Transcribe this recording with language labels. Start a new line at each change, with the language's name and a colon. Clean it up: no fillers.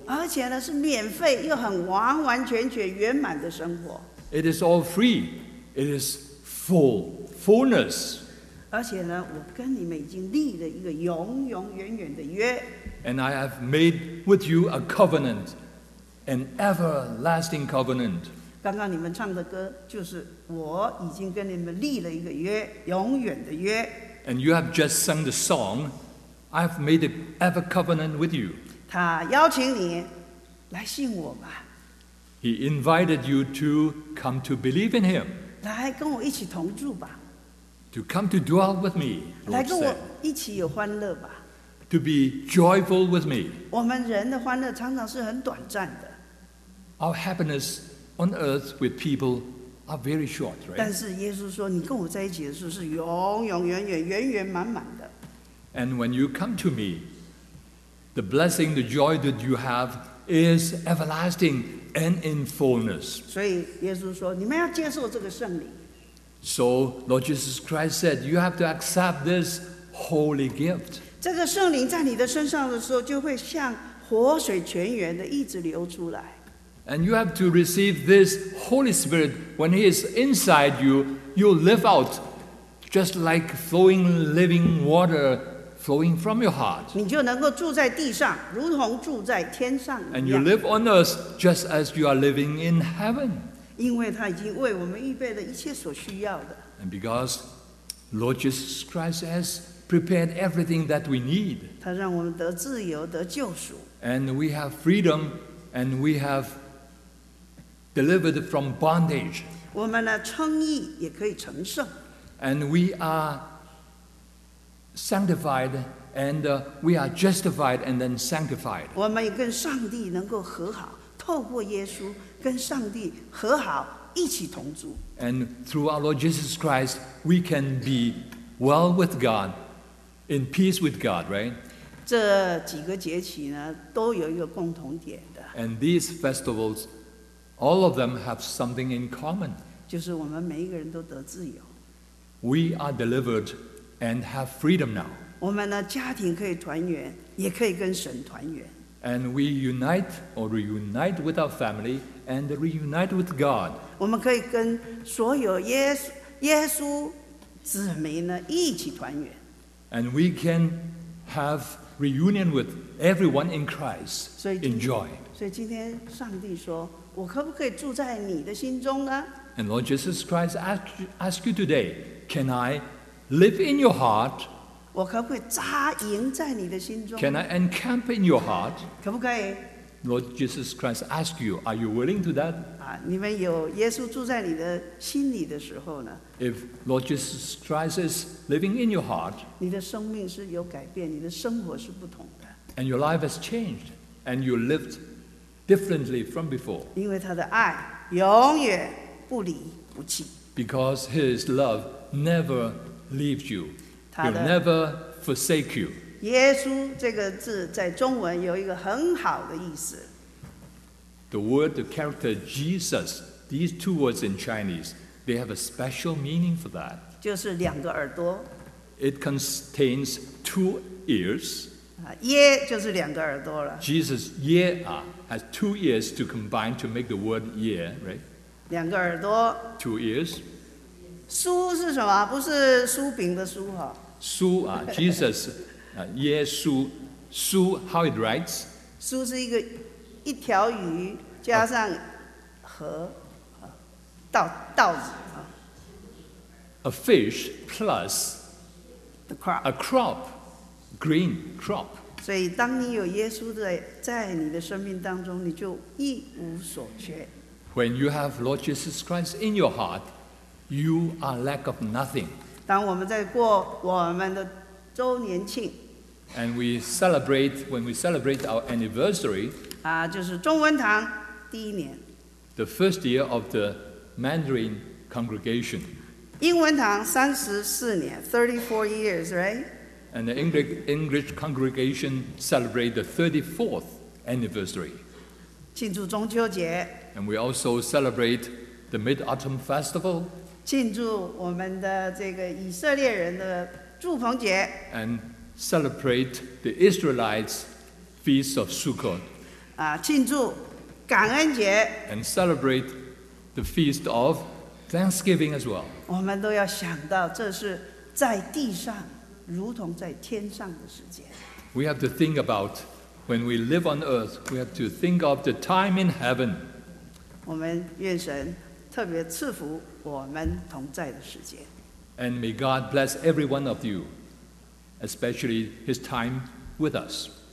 Chinese: 而且呢，是免费又很完完全全圆满的生活。
English: It is all free, it is full, fullness.
Chinese: 而且呢，我跟你们已经立了一个永永远远的约。
English: And I have made with you a covenant, an everlasting covenant.
Chinese: 刚刚你们唱的歌就是我已经跟你们立了一个约，永远的约。
English: And you have just sung the song, I've made an ever covenant with you.
Chinese: 他邀请你来信我吧。
English: He invited you to come to believe in him.
Chinese: 来跟我一起同住吧。
English: To come to dwell with me, Lord said.
Chinese: 来跟我一起有欢乐吧。
English: To be joyful with me.
Chinese: 我们人的欢乐常常是很短暂的。
English: Our happiness on earth with people are very short, right?
Chinese: 但是耶稣说，你跟我在一起的时候是永永远远、圆圆满满的。
English: And when you come to me, the blessing, the joy that you have is everlasting and in fullness.
Chinese: 所以耶稣说，你们要接受这个圣礼。
English: So Lord Jesus Christ said, you have to accept this holy gift.
Chinese: 这个圣灵在你的身上的时候，就会像活水泉源的一直流出来。
English: And you have to receive this Holy Spirit when He is inside you. You live out just like flowing living water flowing from your heart.
Chinese: 你就能够住在地上，如同住在天上一样。
English: And you live on earth just as you are living in heaven.
Chinese: 因为他已经为我们预备了一切所需要的。
English: And because Lord Jesus Christ has prepared everything that we need.
Chinese: 他让我们得自由，得救赎。
English: And we have freedom, and we have delivered from bondage.
Chinese: 我们呢，称义也可以成圣。
English: And we are sanctified, and we are justified, and then sanctified.
Chinese: 我们也跟上帝能够和好，透过耶稣跟上帝和好，一起同住。
English: And through our Lord Jesus Christ, we can be well with God, in peace with God, right?
Chinese: 这几个节期呢，都有一个共同点的。
English: And these festivals, all of them have something in common.
Chinese: 就是我们每一个人都得自由。
English: We are delivered and have freedom now.
Chinese: 我们呢，家庭可以团圆，也可以跟神团圆。
English: And we unite or reunite with our family and reunite with God.
Chinese: 我们可以跟所有耶稣子民呢一起团圆。
English: And we can have reunion with everyone in Christ. Enjoy.
Chinese: 所以今天上帝说，我可不可以住在你的心中呢？
English: And Lord Jesus Christ asked you today. Can I live in your heart?
Chinese: 我可不可以扎营在你的心中？
English: Can I encamp in your heart?
Chinese: 可不可以？
English: Lord Jesus Christ asks you, are you willing to that?
Chinese: 你们有耶稣住在你的心里的时候呢？
English: If Lord Jesus Christ is living in your heart,
Chinese: 你的生命是有改变，你的生活是不同的。
English: And your life has changed, and you lived differently from before.
Chinese: 因为他的爱永远不离不弃。
English: Because his love never leaves you. He'll never forsake you.
Chinese: 耶稣这个字在中文有一个很好的意思。
English: The word, the character Jesus, these two words in Chinese, they have a special meaning for that.
Chinese: 就是两个耳朵。
English: It contains two ears.
Chinese: 耶就是两个耳朵了。
English: Jesus, 耶 has two ears to combine to make the word 耶 right?
Chinese: 两个耳朵。
English: Two ears.
Chinese: 酥是什么？不是酥饼的酥哈。酥啊 ，Jesus， 耶稣，酥 ，
English: How it writes？
Chinese: 酥是一个一条鱼加上和稻子啊。
English: A fish plus the crop. A crop, green crop.
Chinese: 所以当你有耶稣在你的生命当中，你就一无所缺。
English: When you have Lord Jesus Christ in your heart. You are lack of nothing.
Chinese: 当我们在过我们的周年庆
English: ，and we celebrate when we celebrate our anniversary.
Chinese: 就是中文堂第一年
English: ，the first year of the Mandarin congregation.
Chinese: 英文堂34年 ，
English: 34 years, right? And the English congregation celebrate the 34th anniversary.
Chinese: 庆祝中秋节
English: ，and we also celebrate the Mid-Autumn Festival.
Chinese: 庆祝我们的这个以色列人的祝棚节
English: ，and celebrate the Israelites' feast of Sukkot.
Chinese: 庆祝感恩节
English: ，and celebrate the feast of Thanksgiving as well.
Chinese: 我们都要想到，这是在地上如同在天上的时间。
English: We have to think about when we live on earth. We have to think of the time in heaven.
Chinese: 我们愿神特别赐福。我们同在的时间。
English: And may God bless every one of you, especially his time with us.